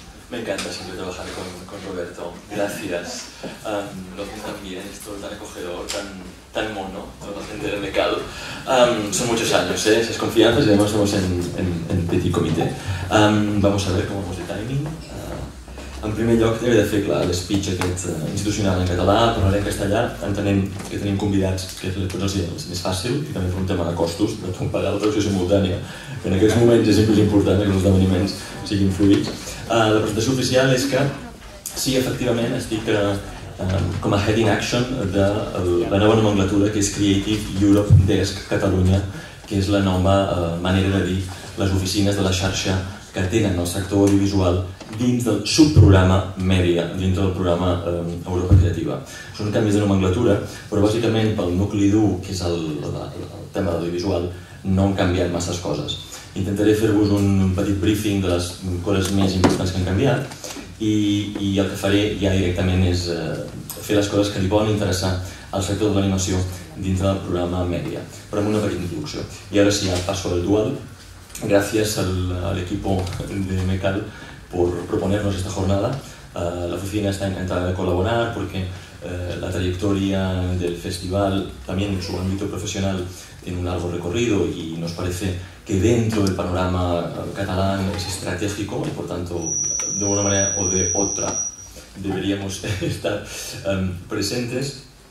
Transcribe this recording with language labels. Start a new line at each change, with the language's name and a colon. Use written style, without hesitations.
Spanish: Me encanta siempre trabajar con Roberto. Gracias. Lo que también es todo tan acogedor, tan mono, toda la gente de Mecal. Son muchos años, ¿eh? Esas confianzas, y además estamos en petit comité. Vamos a ver cómo vamos de timing.
Catalan: En primer lloc, he de fer clar l'espeech aquest institucional en català, parlaré en castellà, entenent que tenim convidats, que és tot el més fàcil, i també per un tema de costos, de pagar la traducció simultània. En aquests moments és sempre important que els esdeveniments siguin fluïts. La presentació oficial és que, sí, efectivament, estic com a head in action de la nova nomenclatura, que és Creative Europe Desk Catalunya, que és la nova manera de dir les oficines de la xarxa que tenen el sector audiovisual dins del subprograma Media, dins del programa Europa Creativa. Són canvis de nomenclatura, però bàsicament pel nucli dur, que és el tema de l'audiovisual, no han canviat masses coses. Intentaré fer-vos un petit briefing de les coses més importants que han canviat i el que faré ja directament és fer les coses que li poden interessar al sector de l'animació dins del programa Media, però amb una petita introducció. I ara sí, ja passo al dual.
Spanish: Gracias a l'equipo de Mecal por proponernos esta jornada. La oficina está encantada de colaborar porque la trayectoria del festival, también en su ámbito profesional, tiene un largo recorrido y nos parece que dentro del panorama catalán es estratégico y, por tanto, de una manera o de otra, deberíamos estar presentes.